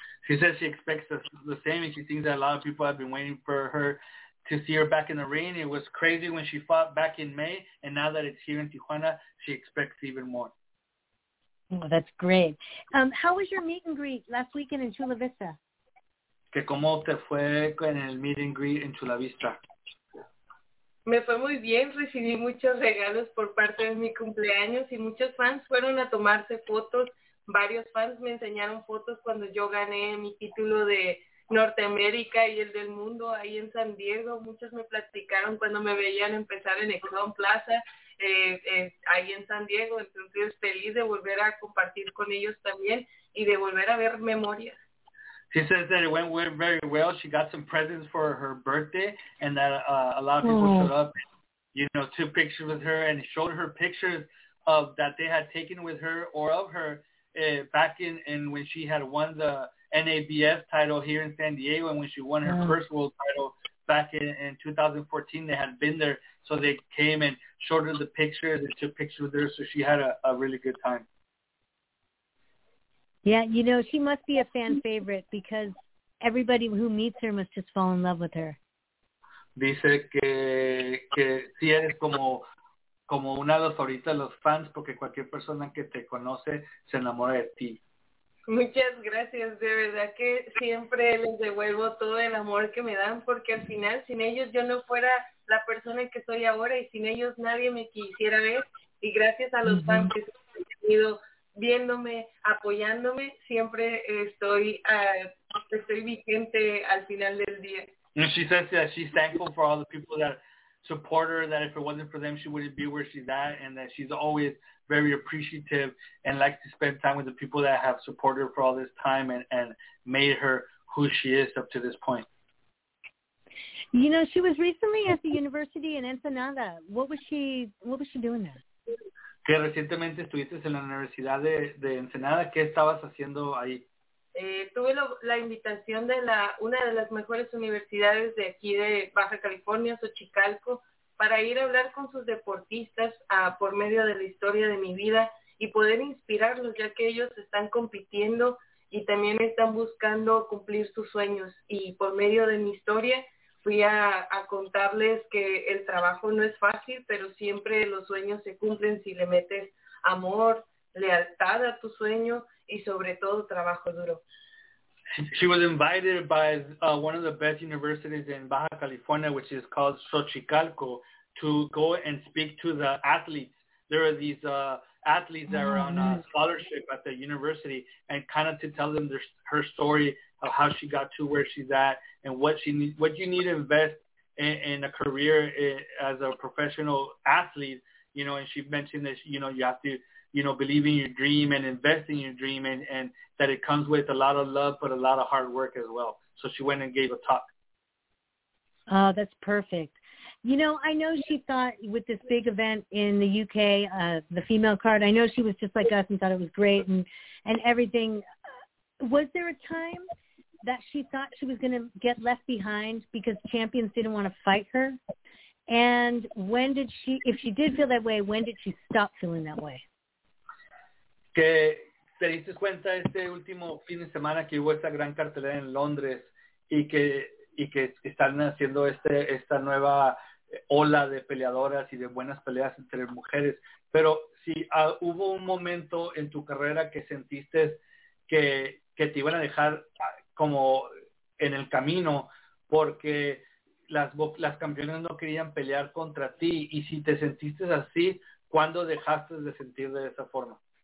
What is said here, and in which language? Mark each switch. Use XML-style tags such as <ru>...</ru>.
<en>She says she expects the same, and she thinks that a lot of people have been waiting for her to see her back in the ring. It was crazy when she fought back in May, and now that it's here in Tijuana, she expects even more. Oh, that's great. How was your meet and greet last weekend in Chula Vista?</en> <es>Que cómo te fue con el</es> <en>meet and greet</en> <es>en Chula Vista. Me fue muy bien, recibí muchos regalos por parte de mi cumpleaños y muchos fans fueron a tomarse fotos. Varios fans me enseñaron fotos cuando yo gané mi título de Norteamérica y el del mundo ahí en San Diego. Muchos me platicaron cuando me veían empezar en Exxon Plaza ahí en San Diego. Entonces, feliz de volver a compartir con ellos también y de volver a ver memorias.</es> <en>She says that it went very well. She got some presents for her birthday, and that a lot of people showed up, you know, took pictures with her and showed her pictures of that they had taken with her or of her back in when she had won the NABF title here in San Diego, and when she won her first world title back in 2014. They had been there, so they came and showed her the pictures and took pictures with her, so she had a really good time. Yeah, you know, she must be a fan favorite because everybody who meets her must just fall in love with her.</en> <es>Dice que sí eres como una de las favoritas de los fans porque cualquier persona que te conoce se enamora de ti. Muchas gracias, de verdad que siempre les devuelvo todo el amor que me dan porque al final sin ellos yo no fuera la persona que soy ahora y sin ellos nadie me quisiera ver y gracias a los fans que he tenido viéndome, apoyándome, siempre estoy vigente al final del día.</es> <en>And she says that she's thankful for all the people that support her, that if it wasn't for them, she wouldn't be where she's at, and that she's always very appreciative and likes to spend time with the people that have supported her for all this time and made her who she is up to this point. You know, she was recently at the university in Ensenada. What was she doing there?</en> <es>Que recientemente estuviste en la Universidad de Ensenada, ¿qué estabas haciendo ahí? Tuve la invitación de una de las mejores universidades de aquí de Baja California, Xochicalco, para ir a hablar con sus deportistas por medio de la historia de mi vida y poder inspirarlos, ya que ellos están compitiendo y también están buscando cumplir sus sueños. Y por medio de mi historia fui a contarles que el trabajo no es fácil, pero siempre los sueños se cumplen si le metes amor, lealtad a tu sueño y sobre todo trabajo duro.</es> <en>She was invited by one of the best universities in Baja California, which is called Xochicalco, to go and speak to the athletes. There are these athletes that are on a scholarship at the university, and kind of to tell them her story of how she got to where she's at and what you need to invest in a career as a professional athlete, you know. And she mentioned that, you know, you have to, you know, believe in your dream and invest in your dream, and that it comes with a lot of love, but a lot of hard work as well. So she went and gave a talk. Oh, that's perfect. You know, I know she thought with this big event in the UK, the female card, I know she was just like us and thought it was great and everything. Was there a time that she thought she was going to get left behind because champions didn't want to fight her? And when did she, if she did feel that way, when did she stop feeling that way?</en> <es>Que te diste cuenta este último fin de semana que hubo esta gran cartelera en Londres y que están haciendo esta nueva ola de peleadoras y de buenas peleas entre mujeres. Pero si hubo un momento en tu carrera que sentiste que te iban a dejar como en el camino porque las campeonas no querían pelear contra ti, y si te sentiste así, ¿cuándo dejaste de sentir de esa forma?</es>